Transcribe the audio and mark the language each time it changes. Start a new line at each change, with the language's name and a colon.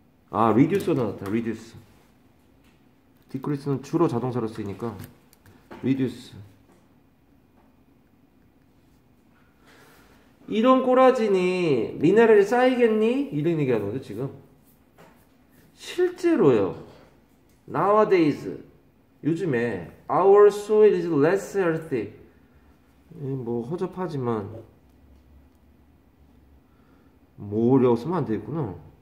Korean: 아, 리듀스가 나왔다. 리듀스. 디크리스는 주로 자동사로 쓰이니까 리듀스. 이런 꼬라지니 미네랄이 쌓이겠니? 이런 얘기하는 거죠 지금. 실제로요.
English: Nowadays,
Korean: 요즘에
English: our soil is less healthy.
Korean: 뭐 허접하지만 뭐라고 쓰면 안 되겠구나.